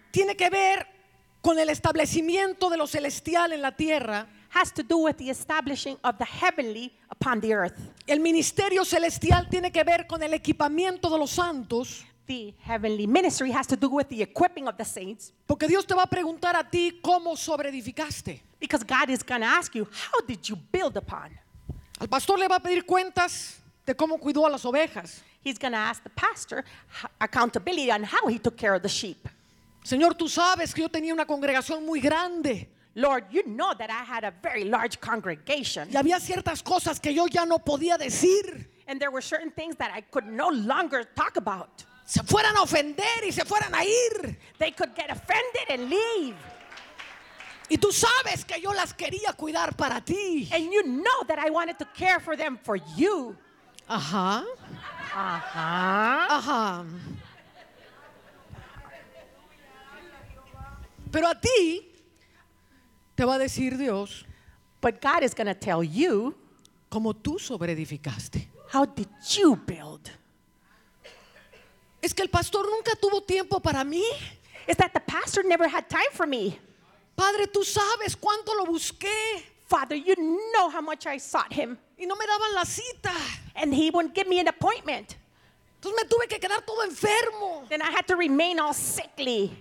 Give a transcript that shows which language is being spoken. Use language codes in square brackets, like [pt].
[es] Tiene que ver con el establecimiento de lo celestial en la tierra. [en] Has to do with the establishing of the heavenly upon the earth. [es] El ministerio celestial tiene que ver con el equipamiento de los santos. [en] The heavenly ministry has to do with the equipping of the saints. [es] Porque Dios te va a preguntar a ti cómo sobreedificaste. [en] Because God is going to ask you, how did you build upon? [es] Al pastor le va a pedir cuentas de cómo cuidó a las ovejas. [en] He's going to ask the pastor accountability on how he took care of the sheep. [es] Señor, tú sabes que yo tenía una congregación muy grande. [en] Lord, you know that I had a very large congregation. [es] Y había ciertas cosas que yo ya no podía decir. [en] And there were certain things that I could no longer talk about. [es] Se fueran a ofender y se fueran a ir. [en] They could get offended and leave. [es] Y tú sabes que yo las quería cuidar para ti. [en] And you know that I wanted to care for them for you. Ajá. Ajá. Ajá. [es] Pero a ti te va a decir Dios. [en] But God is going to tell you. [es] Cómo tú sobreedificaste. [en] How did you build? [es] Es que el pastor nunca tuvo tiempo para mí. [en] Is that the pastor never had time for me? [es] Padre, tú sabes cuánto lo busqué. [en] Father, you know how much I sought him. [es] Y no me daban la cita. [en] And he wouldn't give me an appointment. [es] Entonces me tuve que quedar todo enfermo. [en] Then I had to remain all sickly.